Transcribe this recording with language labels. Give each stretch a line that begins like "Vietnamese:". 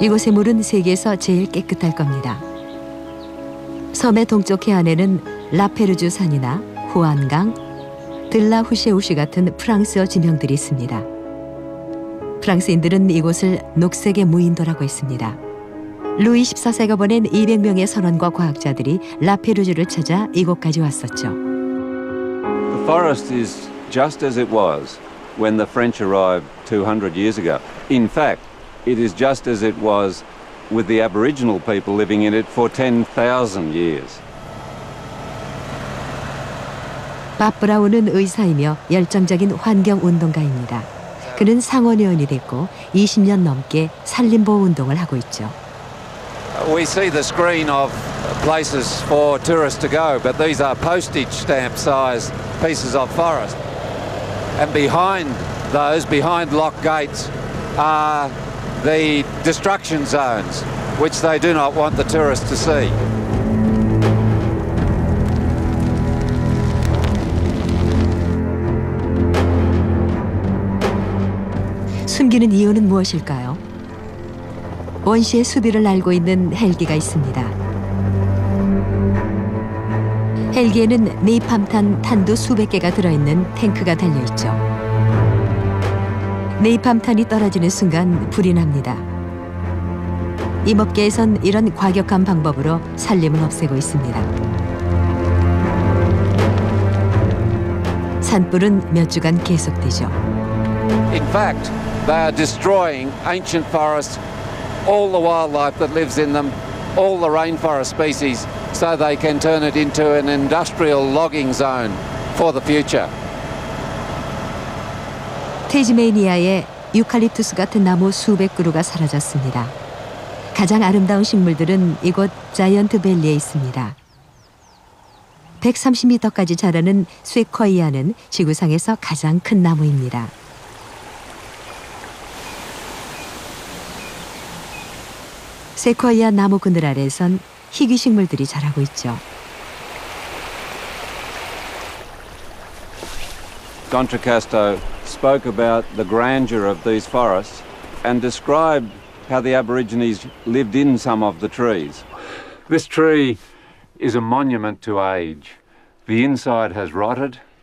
Korean: 이곳의 물은 세계에서 제일 깨끗할 겁니다. 섬의 동쪽 해안에는 라페르주 산이나 후안강, 들라후시에우시 같은 프랑스어 지명들이 있습니다. 프랑스인들은 이곳을 녹색의 무인도라고 했습니다. 루이 14세가 보낸 200명의 선원과 과학자들이 라페르주를 찾아 이곳까지 왔었죠.
English: The forest is just as it was when the French arrived 200 years ago. In fact, it is just as it was with the Aboriginal people living in it for 10,000 years.
Korean: 밥 브라운은 의사이며 열정적인 환경운동가입니다. 그는 상원의원이 됐고 20년 넘게 산림보호운동을 하고 있죠.
English: We see the screen of places for tourists to go, but these are postage stamp size pieces of forest. And behind those, behind locked gates, are the destruction zones, which they do not want the tourists to see.
Korean: 숨기는 이유는 무엇일까요? 원시의 수비를 알고 있는 헬기가 있습니다. 헬기에는 네이팜탄 탄두 수백 개가 들어있는 탱크가 달려있죠. 네이팜탄이 떨어지는 순간 불이 납니다. 임업계에선 이런 과격한 방법으로 산림을 없애고 있습니다. 산불은 몇 주간 계속되죠.
English: In fact, they are destroying ancient forests, all the wildlife that lives in them, all the rainforest species, so they can turn it into an industrial logging zone for the future.
Korean: 태즈메이니아에 유칼립투스 같은 나무 수백 그루가 사라졌습니다. 가장 아름다운 식물들은 이곳 자이언트 밸리에 있습니다. 130m까지 자라는 쇠쿼이아는 지구상에서 가장 큰 나무입니다. 세쿼이아 나무 그늘 아래에선 희귀 식물들이 자라고 있죠.
English: Don Tricastro spoke about the grandeur of these forests and described how the Aborigines lived in some of the trees. This tree is a monument to age. The inside has rotted.